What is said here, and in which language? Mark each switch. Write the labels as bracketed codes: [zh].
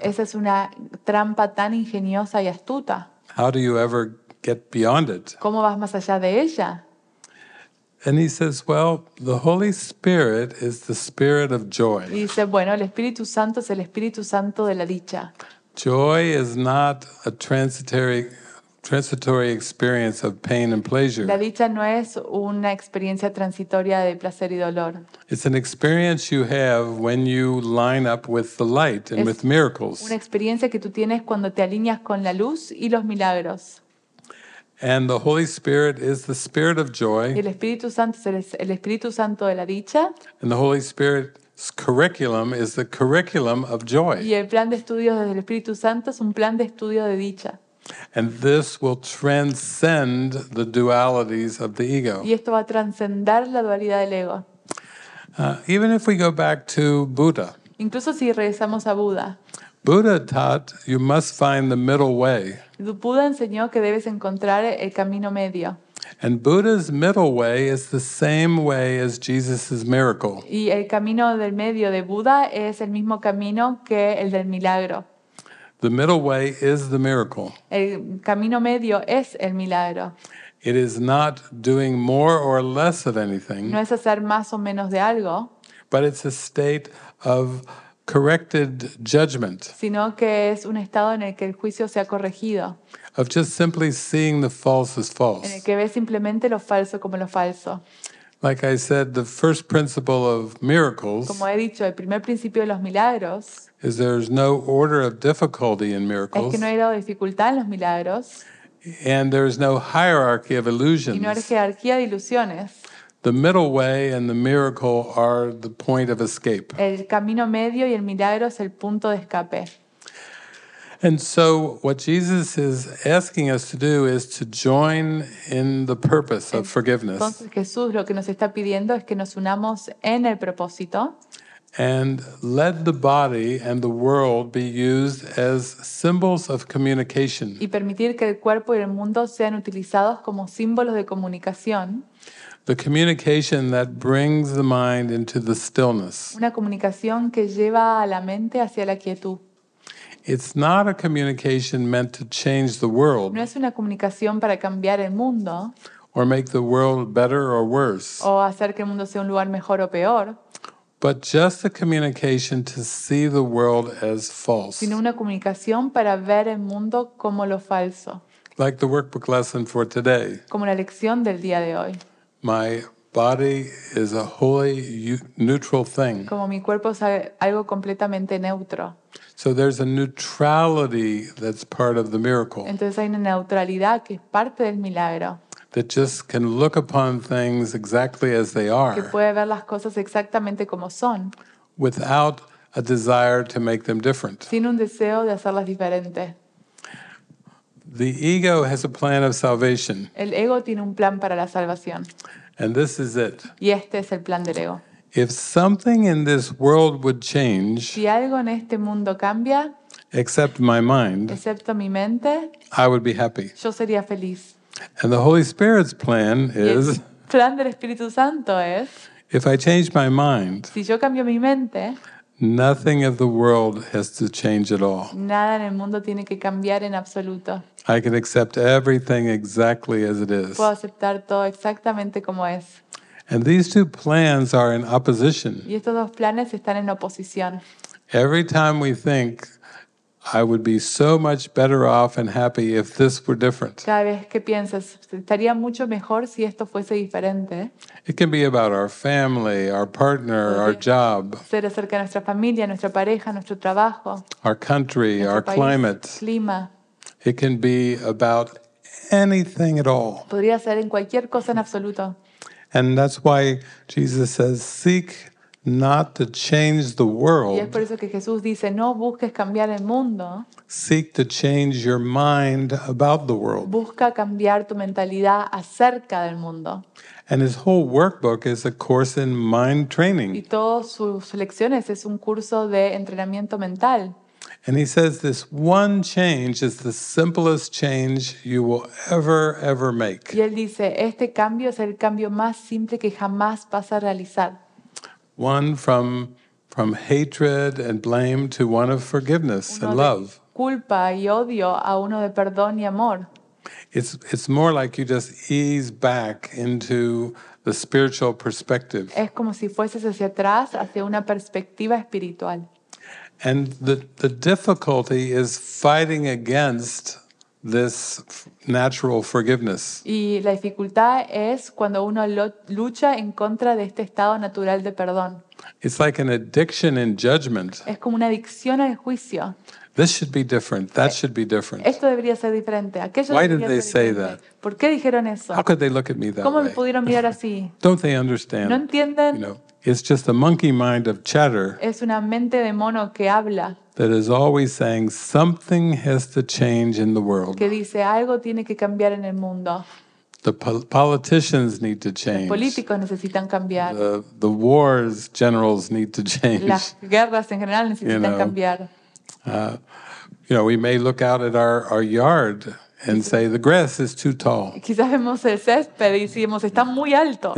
[es] Esa es una trampa tan ingeniosa y astuta. [en] How do you ever get beyond it? [es] ¿Cómo vas más allá de ella? [en] And he says, "Well, the Holy Spirit is the spirit of joy." [es] Y dice, bueno, el Espíritu Santo es el Espíritu Santo de la dicha. [en] Joy is not a transitory experience of pain and pleasure. [es] La dicha no es una experiencia transitoria de placer y dolor. [en] It's an experience you have when you line up with the light and with miracles. [es] Una experiencia que tú tienes cuando te alineas con la luz y los milagros. [en] And the Holy Spirit is the Spirit of joy. [es] El Espíritu Santo es el Espíritu Santo de la dicha. [en] And the Holy Spirit's curriculum is the curriculum of joy. [es] Y el plan de estudios del Espíritu Santo es un plan de estudio de dicha. [en] And this will transcend the dualities of the ego. [es] Y esto va a transcender la dualidad del ego. [en] Even if we go back to Buddha. [es] Incluso si regresamos a Buda. [en] Buddha taught you must find the middle way. [es] Buda enseñó que debes encontrar el camino medio. [en] And Buddha's middle way is the same way as Jesus's miracle. [es] Y el camino del medio de Buda es el mismo camino que el del milagro. [en] The middle way is the miracle. [es] El camino medio es el milagro. [en] It is not doing more or less of anything. [es] No es hacer más o menos de algo. [en] But it's a state of corrected judgment. [es] Sino que es un estado en el que el juicio se ha corregido. [en] Of just simply seeing the false as false. [es] En el que ves simplemente lo falso como lo falso. [en] Like I said, the first principle of miracles. [es] Como he dicho, el primer principio de los milagros. [en] Is there's no order of difficulty in miracles. [es] Es que no hay dificultad en los milagros. [en] And there is no hierarchy of illusions. [es] Y no hay jerarquía de ilusiones. [en] The middle way and the miracle are the point of escape. [es] El camino medio y el milagro es el punto de escape. [en] And so what Jesus is asking us to do is to join in the purpose of forgiveness. [es] Entonces Jesús lo que nos está pidiendo es que nos unamos en el propósito. [en] And let the body and the world be used as symbols of communication. [es] Y permitir que el cuerpo y el mundo sean utilizados como símbolos de comunicación. [en] The communication that brings the mind into the stillness. [es] Una comunicación que lleva a la mente hacia la quietud. [en] It's not a communication meant to change the world. [es] No es una comunicación para cambiar el mundo. [en] Or make the world better or worse. [es] O hacer que el mundo sea un lugar mejor o peor. [en] But just a communication to see the world as false. [es] Sino una comunicación para ver el mundo como lo falso. [en] Like the workbook lesson for today. [es] Como la lección del día de hoy. [en] My body is a wholly neutral thing. [es] Como mi cuerpo es algo completamente neutro. [en] So there's a neutrality that's part of the miracle. [es] Entonces hay una neutralidad que es parte del milagro. [en] That just can look upon things exactly as they are. [es] Que puede ver las cosas exactamente como son. [en] Without a desire to make them different. [es] Sin un deseo de hacerlas diferente. [en] The ego has a plan of salvation. [es] El ego tiene un plan para la salvación. [en] And this is it. [es] Y este es el plan del ego. [en] If something in this world would change, [es] si algo en este mundo cambia, [en] except my mind, [es] excepto mi mente, [en] I would be happy. [es] Yo sería feliz. [en] And the Holy Spirit's plan is, [es] el plan del Espíritu Santo es, [en] if I change my mind, [es] si yo cambio mi mente, [en] nothing of the world has to change at all. [es] Nada en el mundo tiene que cambiar en absoluto. [en] I can accept everything exactly as it is. [es] Puedo aceptar todo exactamente como es. [en] And these two plans are in opposition. [es] Y estos dos planes están en oposición. [en] Every time we think, I would be so much better off and happy if this were different. [es] Cada vez que piensas, estaría mucho mejor si esto fuese diferente. [en] It can be about our family, our partner, our job. [es] Ser acerca de nuestra familia, nuestra pareja, nuestro trabajo. [en] Our country, our [es] país, [en] climate. [es] Clima. [en] It can be about anything at all. [es] Podría ser en cualquier cosa en absoluto. [en] And that's why Jesus says, seek not to change the world. [es] Y es por eso que Jesús dice, no busques cambiar el mundo. [en] Seek to change your mind about the world. [es] Busca cambiar tu mentalidad acerca del mundo. [en] And his whole workbook is a course in mind training. [es] Y todas sus lecciones es un curso de entrenamiento mental. [en] And he says this one change is the simplest change you will ever, ever make. [es] Y él dice, este cambio es el cambio más simple que jamás vas a realizar. [en] One from hatred and blame to one of forgiveness and love. [es] Uno de culpa y odio a uno de perdón y amor. [en] It's more like you just ease back into the spiritual perspective. [es] Es como si fueses hacia atrás, hacia una perspectiva espiritual. [en] And the difficulty is fighting against this natural forgiveness. [es] Y la dificultad es cuando uno lucha en contra de este estado natural de perdón. [en] It's like an addiction in judgment. [es] Es como una adicción al juicio. [en] This should be different. That should be different. [es] Esto debería ser diferente. Aquello [en] Why [es] debería [en] did they [es] ser diferente. [en] Say that? [es] ¿Por qué dijeron eso? [en] How could they look at me that [es] ¿Cómo [en] way? [es] Me pudieron mirar así? [en] Don't they understand? [es] ¿No entienden? [en] You know, it's just a monkey mind of chatter. [es] Es una mente de mono que habla. [en] That is always saying something has to change in the world. [es] Que dice algo tiene que cambiar en el mundo. [en] The politicians need to change. [es] Los políticos necesitan cambiar. [en] The wars generals need to change. [es] Las guerras en general necesitan cambiar. [en] You know, we may look out at our yard and say the grass is too tall. [es] Quizás vemos el césped y decimos está muy alto.